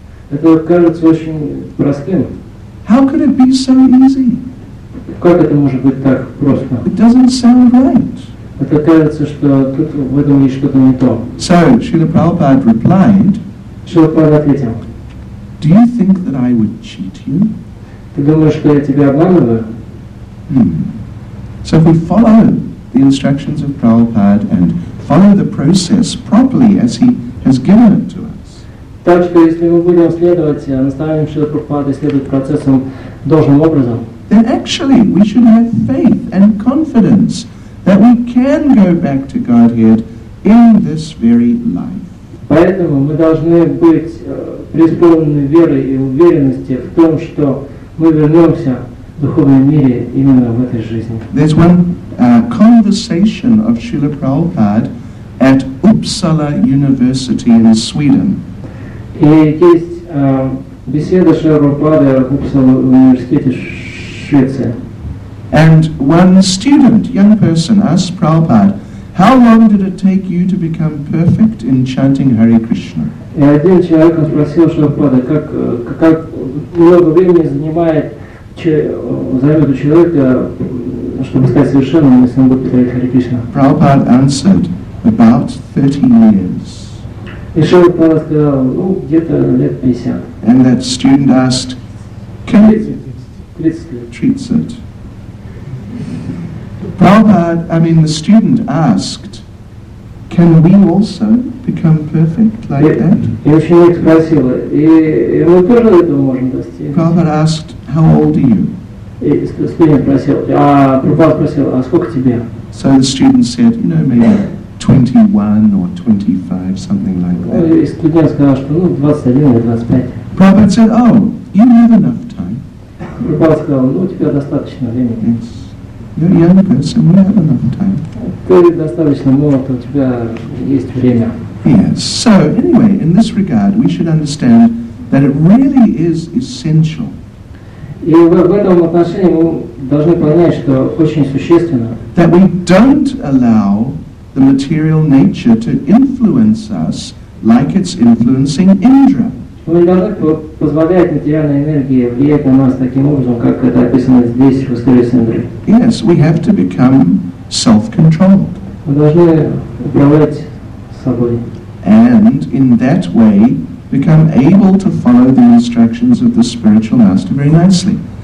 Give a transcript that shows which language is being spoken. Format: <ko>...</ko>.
<ru>Это кажется очень простым.</ru> <en>How could it be so easy?</en> <ru>Как это может быть так просто?</ru> <en>It doesn't sound right.</en> <ru>Это кажется, что тут в этом есть что-то не то.</ru> <en>So, Srila Prabhupada replied,</en> <ru>Srila Prabhupada ответил,</ru> <en>do you think that I would cheat you?</en> <ru>Ты думаешь, что я тебя обманываю?</ru> <en>So if we follow the instructions of Prabhupada and follow the process properly as he has given it to us.</en> <ru>Так что если мы будем следовать наставлениям Шрилы Прабхупады и следовать процессам должным образом,</ru> <en>then actually we should have faith and confidence that we can go back to Godhead in this very life.</en> <ru>Поэтому мы должны быть преисполнены веры и уверенности в том, что мы вернемся в духовном мире именно в этой жизни.</ru> <en>There's one conversation of Srila Prabhupada at Uppsala University in Sweden.</en> <ru>И есть беседа Шрилы Прабхупады в Уппсала университете в Швеции.</ru> <en>And one student, young person, asked Prabhupada, how long did it take you to become perfect in chanting Hare Krishna?</en> <ru>И один человек спросил Шрилы Прабхупады, как много времени занимает займет у человека, чтобы стать совершенным, если он будет повторять Харе Кришна.</ru> <en>Prabhupada answered, about 30 years.</en> <ru>И Шрила Прабхупада сказал, где-то лет 50.</ru> <en>And that student asked, can</en> <ru>30 лет. Treats it.</ru> <en>The student asked, can we also become perfect like that?</en> <ru>И ученик спросил, и мы тоже этого можем достичь?</ru> <en>Prabhupada asked, how old are you? So the student said, maybe 21 or 25, something like that. Prabhupada said, you have enough time. Yes. You're a young person, you have enough time. Yes. So anyway, in this regard, we should understand that it really is essential.</en> <ru>И в этом отношении мы должны понять, что очень существенно.</ru> <en>That we don't allow the material nature to influence us like it's influencing Indra.</en> <ru>Мы не должны позволять материальной энергии влиять на нас таким образом, как это описано здесь в истории с Индрой.</ru> <en>Yes, we have to become self-controlled.</en> <ru>Мы должны управлять собой.</ru> <en>And in that way, become able to follow the instructions of the spiritual master very nicely.</en>